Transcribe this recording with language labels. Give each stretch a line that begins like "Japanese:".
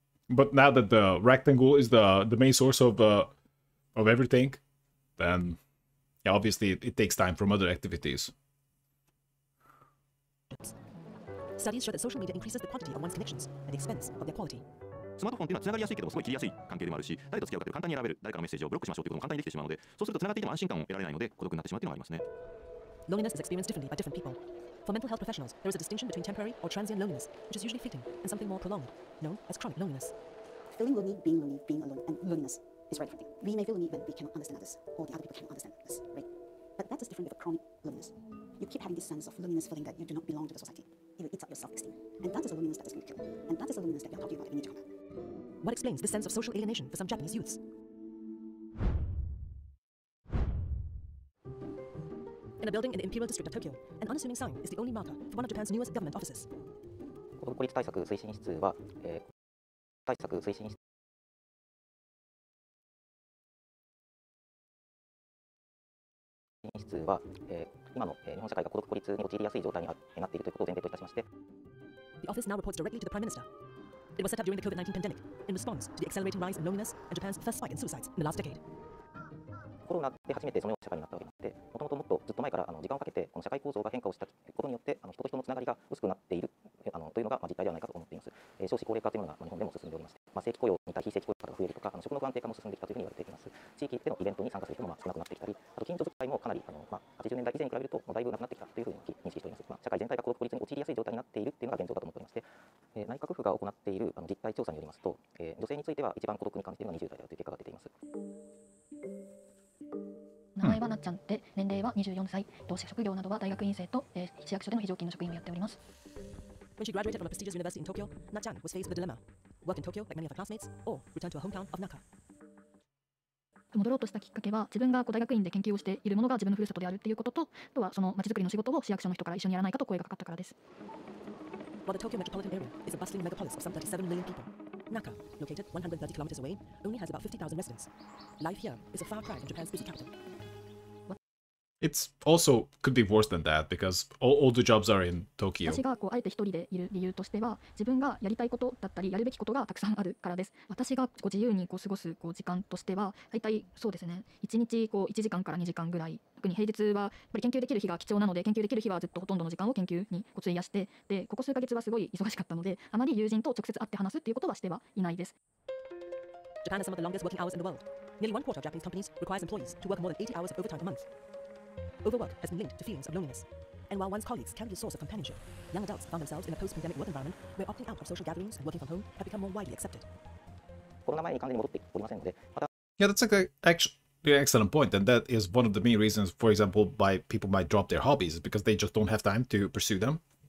English: But now that the rectangle is the main source of everything, then yeah, obviously it takes time from other activities. Studies show that social media increases the quantity of one's connections at the expense of their quality.
Japanese: スマートフォンっていうのはつながりやすいけどもすごい切りやすい関係でもあるし、誰と付き合うかって簡単に選べる、誰かのメッセージをブロックしましょうということも簡単にできてしまうので、そうするとつながっていても安心感を得られないので孤独になってしまうというのがありますね。
English: Loneliness is experienced differently by different people. For mental health professionals, there is a distinction between temporary or transient loneliness, which is usually fleeting, and something more prolonged, known as chronic loneliness. Feeling lonely, being lonely, being alone, and loneliness is right for thing. We may feel lonely when we cannot understand others, or the other people cannot understand us, right? But that is different with a chronic loneliness. You keep having this sense of loneliness feeling that you do not belong to the society. It eats up your self-esteem. And that is a loneliness that is going to kill. And that is a loneliness that you are talking about that you need to combat. What explains the sense of social alienation for some Japanese youths? In a building in the Imperial District of Tokyo, an unassuming sign is the only marker for one of Japan's newest government offices.
Japanese: 孤独孤立対策推進室は、対策推進室は、今の、日本社会が孤独孤立に陥りやすい状態になっているということを前提といたしまして、
English: The office now reports directly to the Prime Minister. It was set up during the COVID-19 pandemic in response to the accelerating rise in loneliness and Japan's first spike in suicides in the last decade.
Japanese: コロナで初めてそのような社会になったわけなので、もともともっとずっと前から時間をかけてこの社会構造が変化をしたことによって人と人のつながりが薄くなっているというのが実態ではないかと思っています。少子高齢化というのが日本でも進んでおりまして、正規雇用に対非正規雇用が増えるとか、職の不安定化も進んできたというふうに言われています。地域でのイベントに参加する人も少なくなってきたり、あと近所付き合いもかなり80年代以前に比べるとだいぶなくなってきたというふうに認識しております。社会全体が孤独孤立に陥りやすい状態になっているというのが現状だと思っておりまして、内閣府が行っている実態調査によりますと、女性については一番孤独に感じているのは20代だという結果が出ています。名前はなっちゃんで、年齢は24歳、同職業などは大学院生と、市役所での非常勤の職員をやっております。
English: When she graduated from a prestigious university in Tokyo, Nachan was faced with a dilemma. Work in Tokyo, like many of her classmates, or return to her hometown of Naka.
Japanese: 戻ろうとしたきっかけは、自分が大学院で研究をしているものが自分のふるさとであるっていうことと、あとはその街づくりの仕事を市役所の人から一緒にやらないかと声がかかったからです。
English: While the Tokyo metropolitan area is a bustling megapolis of some 37 million people, Naka, located 130 kilometers away, only has about 50,000 residents. Life here is a far cry from Japan's busy capital. It's also could be worse than that because all the jobs are in Tokyo.
Japanese: 私がこうあえて一人でいる理由としては、自分がやりたいことだったりやるべきことがたくさんあるからです。私がこう自由にこう過ごすこう時間としては、大体そうですね、1日こう1時間から2時間ぐらい。特に平日はやっぱり研究できる日が貴重なので、研究できる日はずっとほとんどの時間を研究に費やして、でここ数ヶ月はすごい忙しかったので、あまり友人と直接会って話すっていうことはしてはいないです。
English: Japan has some of the longest working hours in the world. Nearly one quarter of Japanese companies requires employees to work more than 80 hours of overtime a month. Overwork has been linked to feelings of loneliness. And while one's colleagues can be a source of companionship, young adults found themselves in a post-pandemic work environment where opting out of social gatherings and working from home have become more widely accepted.
Japanese: コロナ前に完全に戻っておりませんので、また
English: Yeah, that's like actually excellent point, and that is one of the main reasons, for example, why people might drop their hobbies, because they just don't have time to pursue them.